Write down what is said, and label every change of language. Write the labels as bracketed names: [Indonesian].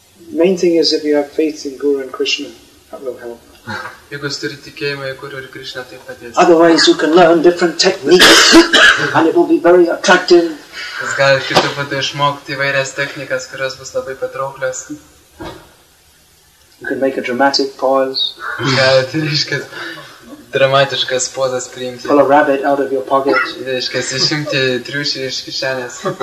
[English] Main thing is if you have faith in Guru and Krishna, that will help. [Lithuanian] Jeigu jūs turite tikėjimą į Guru ir Krishna, tai padės. [English] Otherwise you can learn different techniques and it will be very attractive. [Lithuanian] Jūs galite kitų būtų išmokti įvairias technikas, kurios bus labai patrauklios. [English] You can make a dramatic pause. [Lithuanian] Galite, reiškia, dramatiškas pozas priimti. [English] Pull a rabbit out of your pocket. [Lithuanian] Reiškia, išimti triušį iš kišenės.